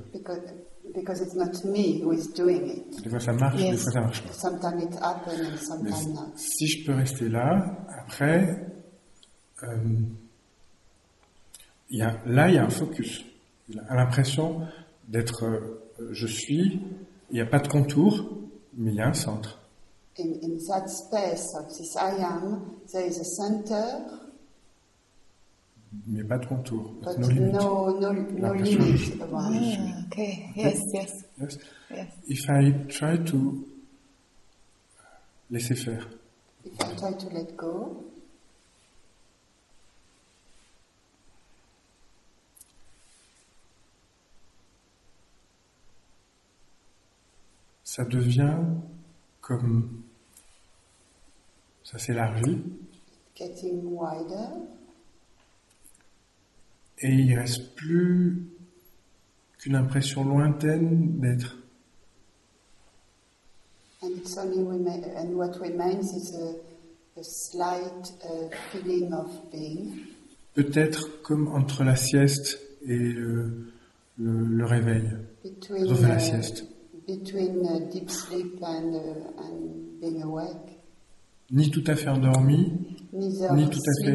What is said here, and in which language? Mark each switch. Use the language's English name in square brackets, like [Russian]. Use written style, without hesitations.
[English] Because it's not me who is doing it. [French] Des fois ça marche, yes. Des fois ça marche pas. [English] Sometimes it happens and sometimes not. [French] Si je peux rester là, après. Il y a un focus. Il a l'impression d'être je suis. Il n'y a pas de contour, mais il y a un centre. [English] In that space of this I am, there is a center. [French] Mais pas de contour. [English] But no limit. No limit. Okay. Yes. If I try to [French] laisser faire. [English] If I try to let go. [French] Ça devient comme ça s'élargit. [English] Getting wider. [French] Et il ne reste plus qu'une impression lointaine d'être. [English] And it's only and what remains is a slight feeling of being. [French] Peut-être comme entre la sieste et le réveil. [English] Between [French] la sieste. [English] Between deep sleep and being awake. [French] Ni tout à fait endormi, ni tout à fait